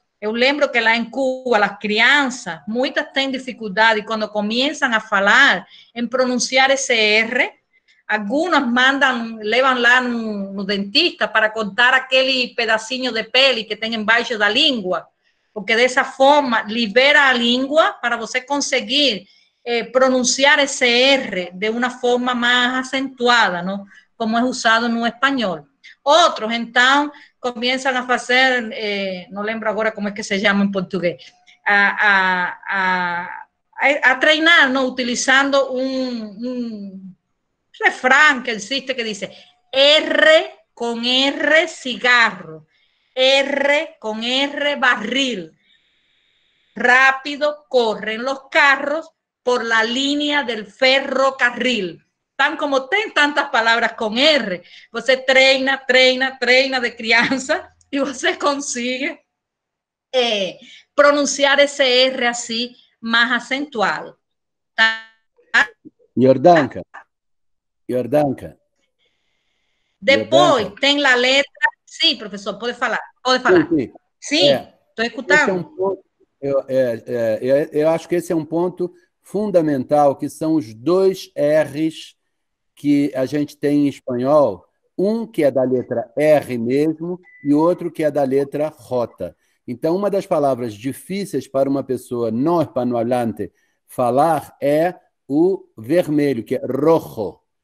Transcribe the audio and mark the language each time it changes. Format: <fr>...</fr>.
<pt>Eu lembro que lá em Cuba, as crianças, muitas têm dificuldade quando começam a falar, em pronunciar esse R. Algumas mandam, levam lá no dentista para cortar aquele pedacinho de pele que tem embaixo da língua, porque dessa forma libera a língua para você conseguir</pt> <es>pronunciar ese R de una forma más acentuada, ¿no? Como es usado en un español. Otros, entonces, comienzan a hacer, no lembro ahora cómo es que se llama en portugués,</es> <pt>a treinar,</pt> <es>¿no? Utilizando un refrán que existe que dice R con R cigarro, R con R barril. Rápido corren los carros por la línea del ferrocarril. Tan como ten tantas palabras con R,</es> <pt>você treina, treina, treina</pt> <es>de crianza y você consigue pronunciar ese R así más acentuado. Jordanka. Después, ten la letra. Sí, profesor, puede hablar. Puede hablar. Sí, estoy escuchando.</es> <pt>Eu acho que esse é um ponto fundamental, que são os dois R's que a gente tem em espanhol, um que é da letra R mesmo e outro que é da letra rota. Então, uma das palavras difíceis para uma pessoa não hispanohablante falar é o vermelho, que é rojo.</pt>